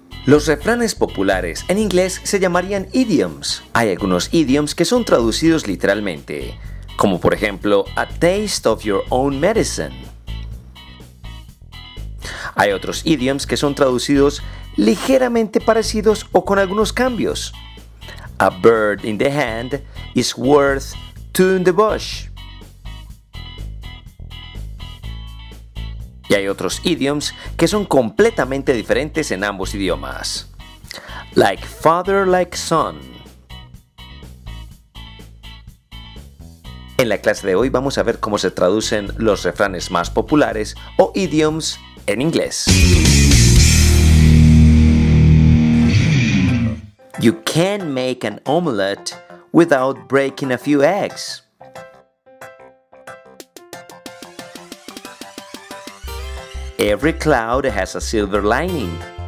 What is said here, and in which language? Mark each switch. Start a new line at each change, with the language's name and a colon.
Spanish: Los refranes populares en inglés se llamarían idioms. Hay algunos idioms que son traducidos literalmente, como por ejemplo,
English: a taste of your own medicine.
Spanish: Hay otros idioms que son traducidos ligeramente parecidos o con algunos cambios.
English: A bird in the hand is worth two in the bush.
Spanish: Y hay otros idioms que son completamente diferentes en ambos idiomas.
English: Like father, like son.
Spanish: En la clase de hoy vamos a ver cómo se traducen los refranes más populares o idioms en inglés.
English: You can make an omelette without breaking a few eggs. Every cloud has a silver lining.